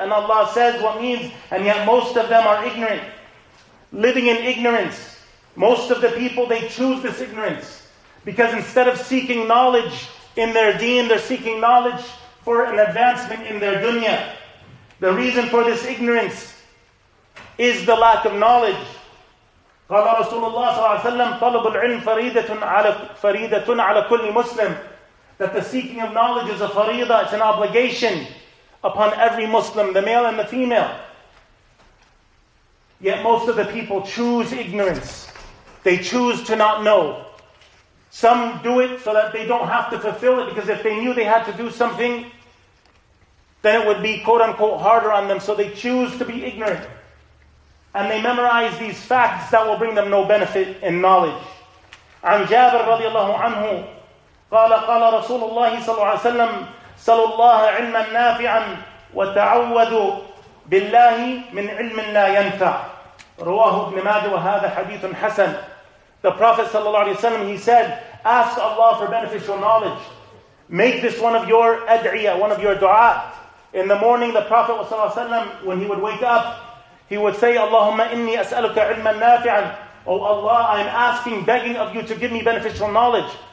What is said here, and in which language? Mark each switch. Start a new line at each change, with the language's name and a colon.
English: And Allah says, what means, and yet most of them are ignorant, living in ignorance. Most of the people, they choose this ignorance. Because instead of seeking knowledge in their deen, they're seeking knowledge for an advancement in their dunya. The reason for this ignorance is the lack of knowledge.
Arabic: قال رسول الله صلى الله عليه وسلم طلب العلم فريدة على كل مسلم.
English: That the seeking of knowledge is a faridah, it's an obligation upon every Muslim, the male and the female. Yet most of the people choose ignorance. They choose to not know. Some do it so that they don't have to fulfill it, because if they knew they had to do something, then it would be quote unquote harder on them. So they choose to be ignorant. And they memorize these facts that will bring them no benefit in knowledge.
Arabic: عن جابر رضي الله عنه قال قال رسول الله صلى الله عليه وسلم سل الله علما نافعا وتعوذ بالله من علم لا ينفع رواه ابن ماجه وهذا حديث حسن.
English: The Prophet
Arabic: صلى الله عليه وسلم,
English: he said, ask Allah for beneficial knowledge. Make this one of your ad'iyah, one of your du'a. In the morning, the Prophet
Arabic: صلى الله عليه وسلم,
English: when he would wake up, he would say,
Arabic: Allahumma inni as'aluka ilman nafi'an.
English: O Allah, I'm asking, begging of you to give me beneficial knowledge.